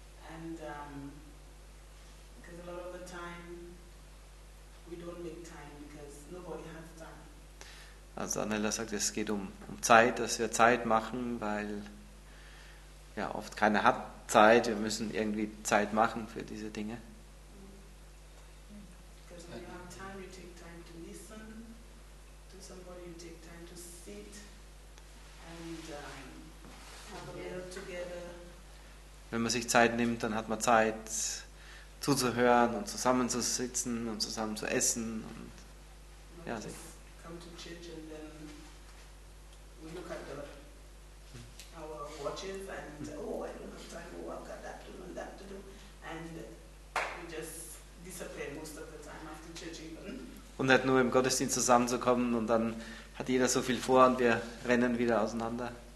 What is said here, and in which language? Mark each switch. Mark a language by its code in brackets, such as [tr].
[en] And because a lot of the time we don't make time because nobody has time. [de] Also Annella sagt, es geht um Zeit, dass wir Zeit machen, weil ja oft keiner hat Zeit. Wir müssen irgendwie Zeit machen für diese Dinge. [en] Because when you have time, you take time to listen to somebody, you take time to sit and have a meal together. [de] Wenn man sich Zeit nimmt, dann hat man Zeit zuzuhören und zusammenzusitzen und zusammen zu essen und ja, sich. [en] Come to church and then we look at the our watches and oh, I don't have time, oh, I've got that to do and that to do, and we just disappear most of the time after church even. [de] Und nicht nur im Gottesdienst zusammenzukommen und dann hat jeder so viel vor und wir rennen wieder auseinander.